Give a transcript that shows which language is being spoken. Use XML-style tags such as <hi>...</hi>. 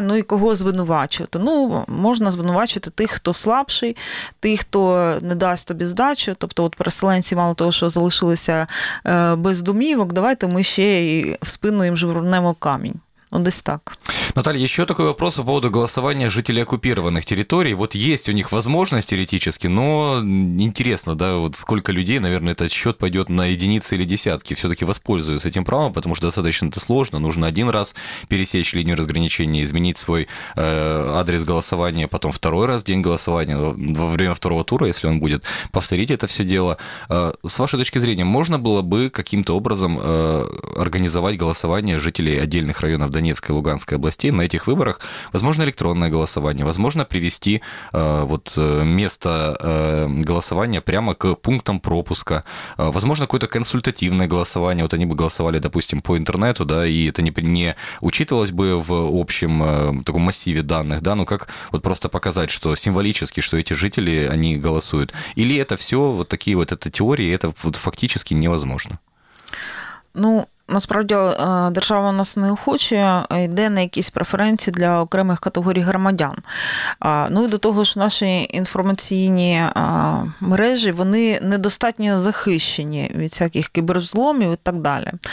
<uk>Ну і кого звинувачувати? Ну, можна звинувачувати тих, хто слабший, тих, хто не дасть тобі здачу, тобто от переселенці мало того, що залишилися без домівок, давайте ми ще і в спину їм жбурнемо камінь. Ну, десь так.</uk> <ru>Наталья, еще такой вопрос по поводу голосования жителей оккупированных территорий. Вот есть у них возможность теоретически, но интересно, да, вот сколько людей, наверное, этот счет пойдет на единицы или десятки, все-таки воспользуются этим правом, потому что достаточно это сложно. Нужно один раз пересечь линию разграничения, изменить свой адрес голосования, потом второй раз день голосования, во время второго тура, если он будет, повторить это все дело. С вашей точки зрения, можно было бы каким-то образом организовать голосование жителей отдельных районов Донецкой и Луганской областей на этих выборах, возможно, электронное голосование, возможно, привести вот место голосования прямо к пунктам пропуска, возможно, какое-то консультативное голосование, вот они бы голосовали, допустим, по интернету, да, и это не учитывалось бы в общем таком массиве данных, да, ну как вот просто показать, что символически, что эти жители, они голосуют, или это все вот такие вот это теории, это вот фактически невозможно? Ну,</ru> <uk>Насправді держава нас не охоче, йде на якісь преференції для окремих категорій громадян. Ну і до того ж, наші інформаційні мережі, вони недостатньо захищені від всяких кіберзломів і так далі.</uk>